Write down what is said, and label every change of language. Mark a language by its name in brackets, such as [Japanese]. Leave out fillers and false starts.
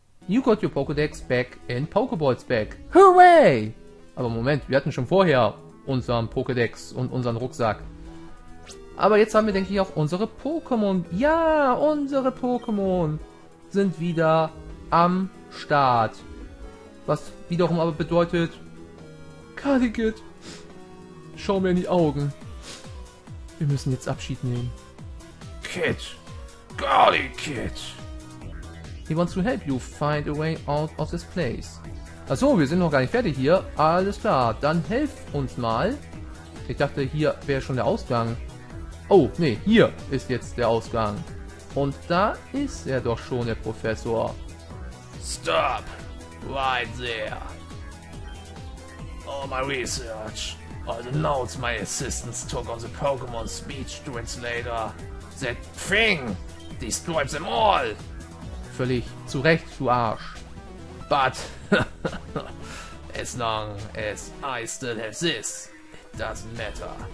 [English] You got your Pokédex back and Pokéballs back. Hooray! [German] Aber Moment, wir hatten schon vorher unseren Pokédex und unseren Rucksack. Aber jetzt haben wir, denke ich, auch unsere Pokémon. Ja, unsere Pokémon. sind wieder am Start. Was wiederum aber bedeutet, Kalligit, schau mir in die Augen. Wir müssen jetzt Abschied nehmen. [English] Kid, Kalligit. He wants to help you find a way out of this place. [German] Achso, wir sind noch gar nicht fertig hier. Alles klar, dann helf uns mal. Ich dachte, hier wäre schon der Ausgang. Oh, nee, hier ist jetzt der Ausgang. Und da ist er doch schon, der Professor. [English] Stop! Right there! All my research, all the notes my assistants took on the Pokémon Speech Translator. That thing destroys them all! [German] Völlig zu Recht, du Arsch. [English] But, as long as I still have this, it doesn't matter.